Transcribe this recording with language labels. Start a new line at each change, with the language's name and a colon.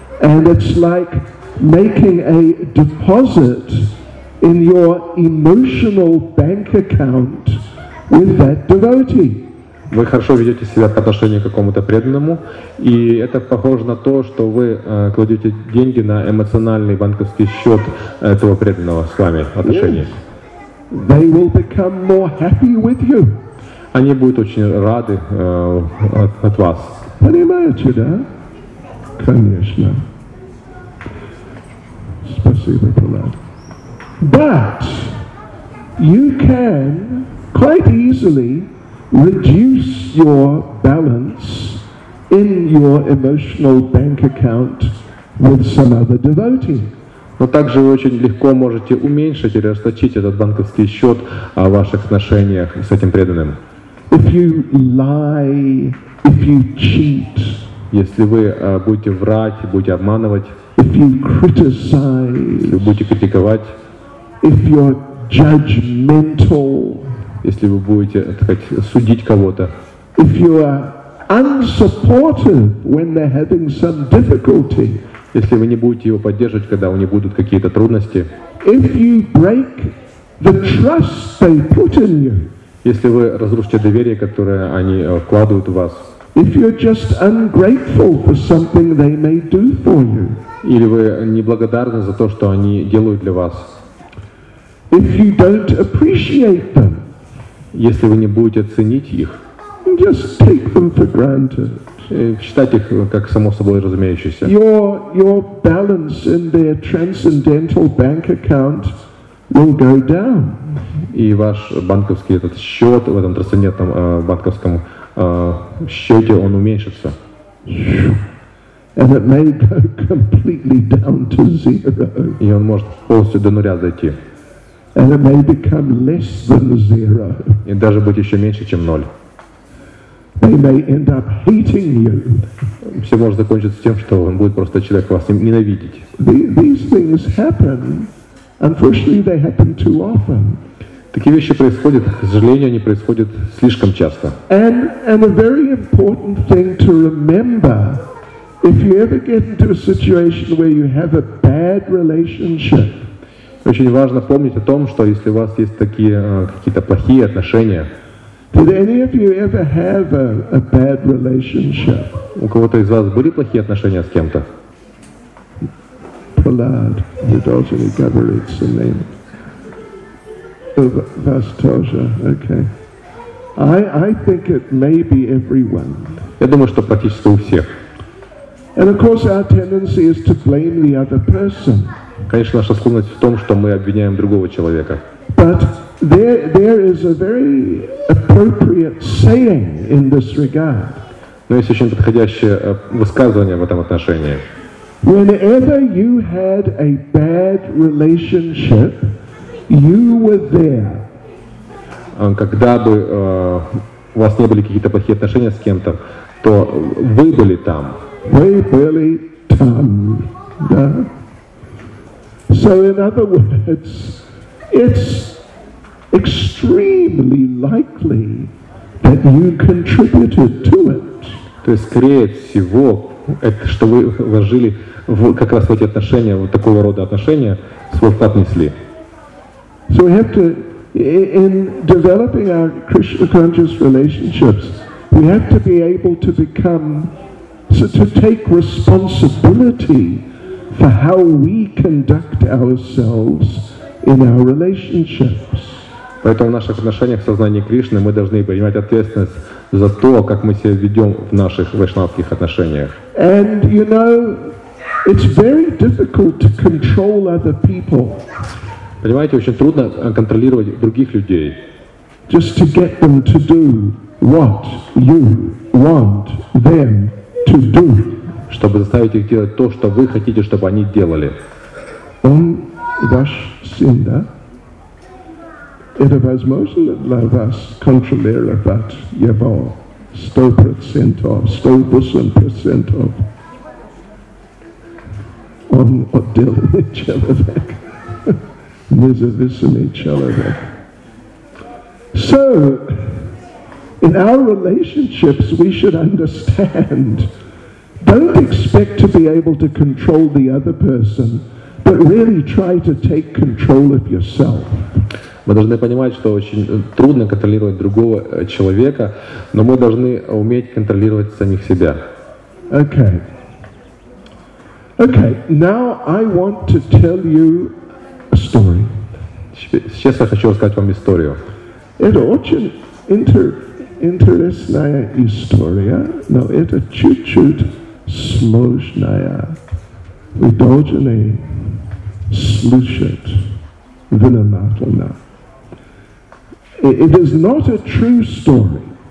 English: And it's like making a deposit in your emotional bank account with that devotee.
Russian: Вы хорошо ведете себя по отношению к какому-то преданному, и это похоже на то, что вы кладете деньги на эмоциональный банковский счет этого преданного с вами в отношениях.
English: Yes. They will become more happy with you.
Russian: Они будут очень рады от вас. Понимаете, да? Конечно. Спасибо, Пилат.
English: But you can quite easily reduce your balance in your emotional bank account with some other devotee.
Russian: Но также вы очень легко можете уменьшить или расточить этот банковский счет о ваших отношениях с этим преданным.
English: If you lie, if you cheat,
Russian: если вы будете врать, будете обманывать,
English: if you criticize,
Russian: если вы будете критиковать,
English: if you're judgmental,
Russian: если вы будете, так сказать, судить кого-то,
English: if you are unsupportive when they're having some difficulty,
Russian: если вы не будете его поддерживать, когда у него будут какие-то трудности,
English: if you break the trust they put in you,
Russian: если вы разрушите доверие, которое они вкладывают в вас,
English: if you're just ungrateful for something they may do for you,
Russian: или вы неблагодарны за то, что они делают для вас,
English: if you don't appreciate them,
Russian: если вы не будете ценить их,
English: just take them for granted,
Russian: считать их как само собой разумеющееся.
English: Your balance in their transcendental bank account will go down.
Russian: И ваш банковский этот счет в этом трансцендентном банковском счете, он уменьшится.
English: And it may go completely down to zero.
Russian: И он может полностью до нуля дойти.
English: And it may become less than zero.
Russian: И даже быть еще меньше, чем ноль.
English: They may end up hating you.
Russian: Все может закончиться тем, что он будет просто человек вас ненавидеть.
English: These things happen. Unfortunately, they happen too often.
Russian: Такие вещи происходят, к сожалению, они происходят слишком часто.
English: And a very important thing to remember, if you ever get into a situation where you have a bad relationship.
Russian: Очень важно помнить о том, что если у вас есть такие какие-то плохие отношения.
English: Did any of you ever have a bad relationship?
Russian: У кого-то из вас были плохие отношения с кем-то? Pallad, the Dolzhny Gavrilets, the name.
English: Vastoja, okay. I think it may be everyone.
Russian: Я думаю, что практически у всех.
English: And of course our tendency is to blame the other person.
Russian: Конечно, наша склонность в том, что мы обвиняем другого человека.
English: But there is a very appropriate saying in this regard.
Russian: Но есть очень подходящее высказывание в этом отношении.
English: Whenever you had a bad relationship, you were there.
Russian: Когда бы у вас не были какие-то плохие отношения с кем-то, то вы были там. Вы были там, да.
English: So in other words, it's extremely likely that you contributed to it.
Russian: То есть, скорее всего, это, что вы вложили в как раз в эти отношения, вот такого рода отношения, свой вклад внесли.
English: So we have to, in developing our Krishna conscious relationships, we have to be able to become, to take responsibility for how we conduct ourselves in our relationships.
Russian: Поэтому в наших отношениях в сознании Кришны мы должны принимать ответственность за то, как мы себя ведем в наших вайшнавских отношениях.
English: And you know, it's very difficult to control other people.
Russian: Понимаете, очень трудно контролировать других людей.
English: Just to get them to do what you want them to do.
Russian: Чтобы заставить их делать то, что вы хотите, чтобы они делали. Он ваш сын, да? Это возможно для вас контролировать его 100%, 108%. Он отдельный человек, независимый человек.
English: So, in our relationships, we should understand, don't expect to be able to control the other person, but really try to take control of yourself.
Russian: Мы должны понимать, что очень трудно контролировать другого человека, но мы должны уметь контролировать самих себя.
English: Okay. Okay. Now I want to tell you a story.
Russian: Сейчас я хочу рассказать вам историю. Это очень интересная история, но это чуть-чуть сложная. Вы должны слушать.
English: Vinamatlana. It is not a true story.